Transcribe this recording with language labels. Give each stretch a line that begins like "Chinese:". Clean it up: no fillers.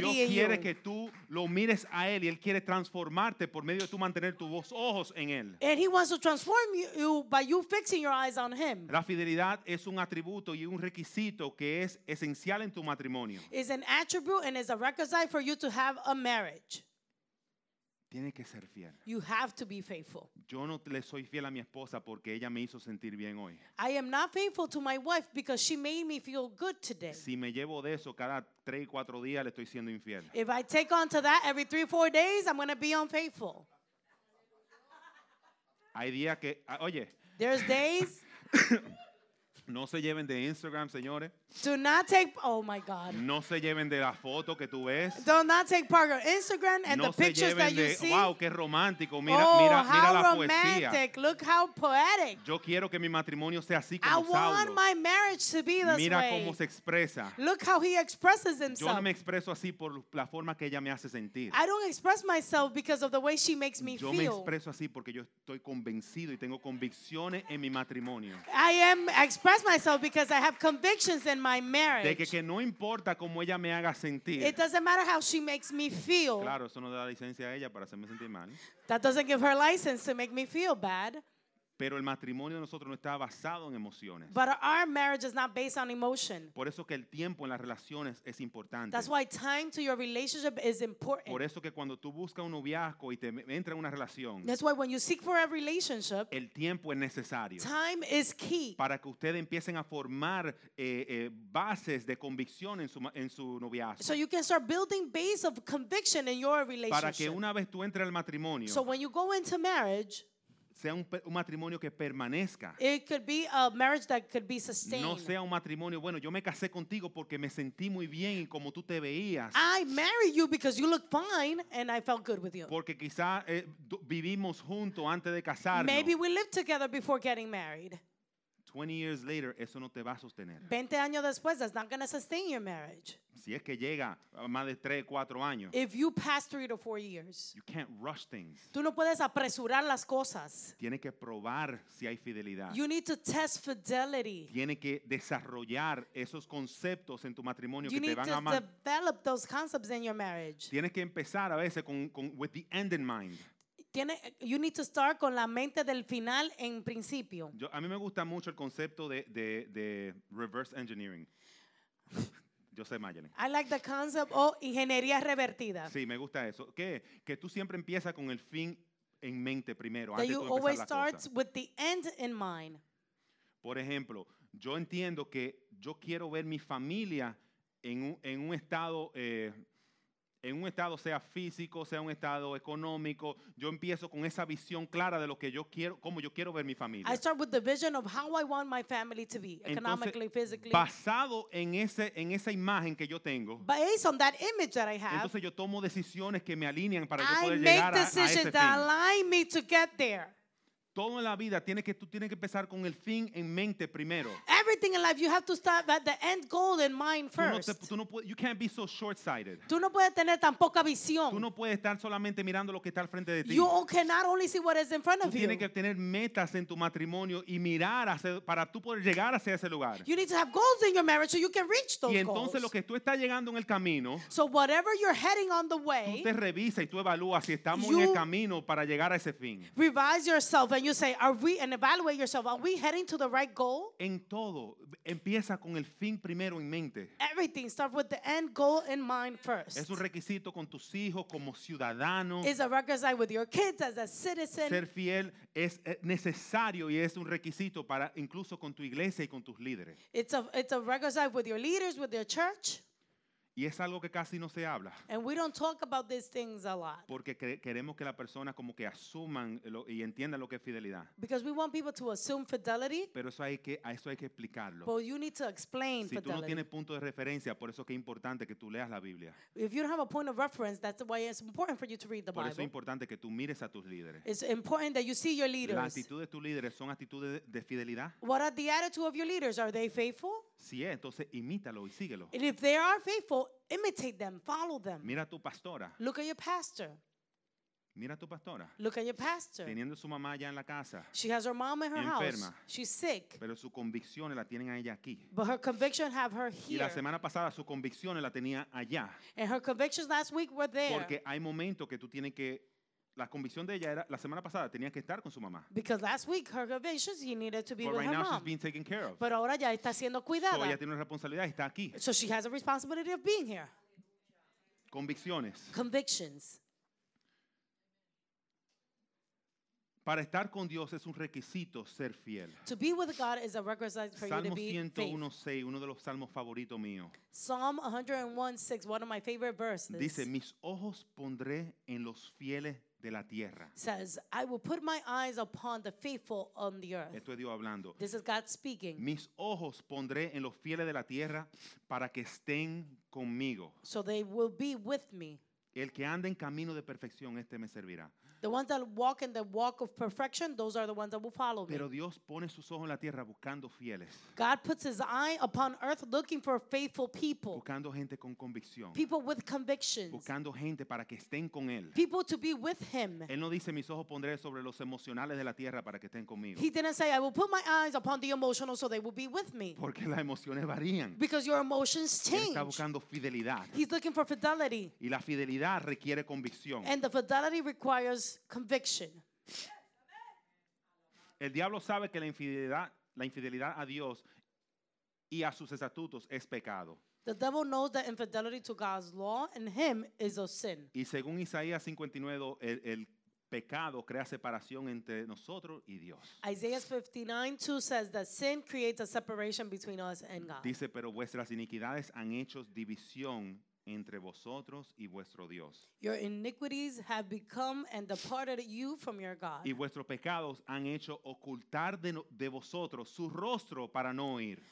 Spanish: Dios
English: in you.
Spanish: Dios quiere que tú lo mires a él y él quiere transformarte por medio de tú mantener tus ojos en él.
English: And he wants to transform you by you fixing your eyes on him.
Spanish: La fidelidad es un atributo y un requisito que es esencial en tu matrimonio.
English: Is an attribute and is a requisite for you to have a marriage.
Spanish: Tiene que ser fiel.
English: You have to be faithful.
Spanish: Yo no le soy fiel a mi esposa porque ella me hizo sentir bien hoy.
English: I am not faithful to my wife because she made me feel good today.
Spanish: Si me llevo de eso cada 3 y 4 días le estoy siendo infiel.
English: If I take on to that every 3 or 4 days I'm going to be unfaithful.
Spanish: Hay días que, oye.
English: There's days.
Spanish: No se lleven de Instagram, señores.
English: Do not take, oh my God.
Spanish: No se lleven de la foto que tú ves.
English: Do not take part of Instagram and the pictures that you see.
Spanish: Wow, qué romántico. Mira, mira, mira la poesía.
English: How romantic. Look how poetic.
Spanish: Yo quiero que mi matrimonio sea así como Saulo.
English: I want my marriage to be this way.
Spanish: Mira cómo se expresa.
English: Look how he expresses himself.
Spanish: Yo no me expreso así por la forma que ella me hace sentir.
English: I don't express myself because of the way she makes me feel.
Spanish: Yo me expreso así porque yo estoy convencido y tengo convicciones en mi matrimonio.
English: I am express myself because I have convictions in my marriage.
Spanish: De que no importa cómo ella me haga sentir.
English: It doesn't matter how she makes me feel.
Spanish: Claro, eso no da licencia a ella para hacerme sentir mal.
English: That doesn't give her license to make me feel bad.
Spanish: Pero el matrimonio de nosotros no está basado en emociones.
English: But our marriage is not based on emotion.
Spanish: Por eso que el tiempo en las relaciones es importante.
English: That's why time to your relationship is important.
Spanish: Por eso que cuando tú buscas un noviazgo y te entra en una relación.
English: That's why when you seek for a relationship.
Spanish: El tiempo es necesario.
English: Time is key.
Spanish: Para que ustedes empiecen a formar bases de convicción en su noviazgo.
English: So you can start building base of conviction in your relationship.
Spanish: Para que una vez tú entres al matrimonio.
English: So when you go into marriage.
Spanish: Sea un matrimonio que permanezca.
English: It could be a marriage that could be sustained.
Spanish: No sea un matrimonio, bueno, yo me casé contigo porque me sentí muy bien y como tú te veías.
English: I married you because you look fine and I felt good with you.
Spanish: Porque quizá vivimos juntos antes de casarnos.
English: Maybe we lived together before getting married. 20 years later,
Spanish: eso no te va a sostener. 20 años después,
English: that's not going to sustain your marriage.
Spanish: Si es que llega más de 3, 4 años.
English: If you pass 3 to 4 years. You can't rush things.
Spanish: Tú no puedes apresurar las cosas. Tiene que probar si hay fidelidad.
English: You need to test fidelity.
Spanish: Tiene que desarrollar esos conceptos en tu matrimonio
English: you
Spanish: que te van a amar.
English: You need to develop those concepts in your marriage.
Spanish: Tienes que empezar a veces con
English: with the end in mind. You need to start
Spanish: con la mente del final en principio. Yo, a mí me gusta mucho el concepto de reverse engineering. Yo sé, Mayelen.
English: I like the concept of ingeniería revertida.
Spanish: Sí, me gusta eso. ¿Qué? Que tú siempre empiezas con el fin en mente primero.
English: That you always start with the end in mind.
Spanish: Por ejemplo, yo entiendo que yo quiero ver mi familia en un estado... En un estado sea físico, sea un estado económico, yo empiezo con esa visión clara de lo que yo quiero, cómo yo quiero ver mi familia.
English: I start with the vision of how I want my family to be, economically,
Spanish: entonces,
English: physically.
Spanish: Basado en esa imagen que yo tengo.
English: Based on that image that I have.
Spanish: Entonces yo tomo decisiones que me alinean para yo poder llegar a ese fin.
English: I make decisions that align me to get there.
Spanish: Todo en la vida tú tienes que empezar con el fin en mente primero.
English: Everything in life you have to start at the end goal in mind first. You can't be so short-sighted.
Spanish: Tú no puedes tener tan poca visión. Tú no puedes estar solamente mirando lo que está al frente de ti.
English: You cannot only see what is in front of you.
Spanish: Tienes que tener metas en tu matrimonio y mirar para tú poder llegar hacia ese lugar.
English: You need to have goals in your marriage so you can reach those goals.
Spanish: Y entonces lo que tú estás llegando en el camino.
English: So whatever you're heading on the way.
Spanish: Tú te revisas y tú evalúas si estamos en el camino para llegar a ese fin.
English: Revise yourself. And you say, evaluate yourself. Are we heading to the right goal?
Spanish: En todo, empieza con el fin primero en mente.
English: Everything starts with the end goal in mind first.
Spanish: Es un requisito con tus hijos como ciudadano.
English: It's a requisite with your kids as a citizen.
Spanish: Ser fiel es necesario y es un requisito para incluso con tu iglesia y con tus líderes.
English: It's a requisite with your leaders, with your church.
Spanish: Y es algo que casi no se habla.
English: And we don't talk about these things a lot.
Spanish: Porque queremos que la persona como que asuman lo, y entienda lo que es fidelidad.
English: Because we want people to assume fidelity.
Spanish: Pero eso hay que, a eso hay que explicarlo.
English: But you need to explain
Spanish: si
English: fidelity.
Spanish: Si tú no tienes punto de referencia, por eso que es importante que tú leas la Biblia.
English: If you don't have a point of reference, that's why it's important for you to read the
Spanish: por
English: Bible.
Spanish: Por eso es importante que tú mires a tus líderes.
English: It's important that you see your leaders.
Spanish: La actitud de tus líderes son actitudes de fidelidad.
English: What are the attitude of your leaders? Are they faithful?
Spanish: Si es, entonces imítalo y síguelo.
English: And if they are faithful, imitate them, follow them.
Spanish: Mira tu pastora.
English: Look at your pastor.
Spanish: Mira tu pastora.
English: Look at your pastor.
Spanish: Teniendo su mamá ya en la casa.
English: She has her mom in her
Spanish: enferma.
English: House. She's sick.
Spanish: Pero su convicción la tienen a ella aquí.
English: But her conviction have her here.
Spanish: Y la semana pasada su convicción la tenía allá.
English: And her convictions last week were there.
Spanish: Porque hay momentos que tú tienes que la convicción de ella era la semana pasada tenía que estar con su mamá.
English: Because last week her convictions she needed to be but with right her now mom. She's being taken care of.
Spanish: Pero ahora ya está siendo cuidada. So ella tiene una responsabilidad y está aquí.
English: So she has a responsibility of being here.
Spanish: Convicciones.
English: Convictions.
Spanish: Para estar con Dios es un requisito ser fiel.
English: To be with God is a requisite for
Spanish: Salmo
English: you to be
Spanish: 101,
English: faithful.
Spanish: 6, uno de los salmos favoritos míos.
English: Psalm 101, 6, one of my favorite verses.
Spanish: Dice, mis ojos pondré en los fieles de la tierra.
English: Says, I will put my eyes upon the faithful on the earth.
Spanish: Esto es Dios hablando.
English: This is God speaking.
Spanish: Mis ojos pondré en los fieles de la tierra para que estén conmigo.
English: So they will be with me.
Spanish: El que anda en camino de perfección, este me servirá.
English: The ones that walk in the walk of perfection, those are the ones that will follow me.
Spanish: Pero Dios pone sus ojos en la tierra buscando fieles.
English: God puts his eye upon earth looking for faithful people.
Spanish: Buscando gente con convicción.
English: People with convictions.
Spanish: Buscando gente para que estén con él.
English: People to be with him.
Spanish: Él no dice, mis ojos pondré sobre los emocionales de la tierra para que estén conmigo.
English: He didn't say, I will put my eyes upon the emotional so they will be with me.
Spanish: Porque las emociones varían.
English: Because your emotions change.
Spanish: Él está buscando fidelidad.
English: He's looking for fidelity.
Spanish: Y la fidelidad requiere convicción.
English: And the fidelity requires conviction.
Spanish: El diablo sabe que la infidelidad a Dios y a sus estatutos es pecado.
English: The devil knows that infidelity to God's law and him is a sin.
Spanish: Y según Isaías 59, el pecado crea separación entre nosotros y Dios.
English: Isaiah 59:2 says that sin creates a separation between us and God.
Spanish: Dice, pero vuestras iniquidades han hecho división entre vosotros y vuestro Dios.
English: Your iniquities have become and departed you from your God.
Spanish: Y vuestros pecados han hecho ocultar de vosotros su rostro para no oír.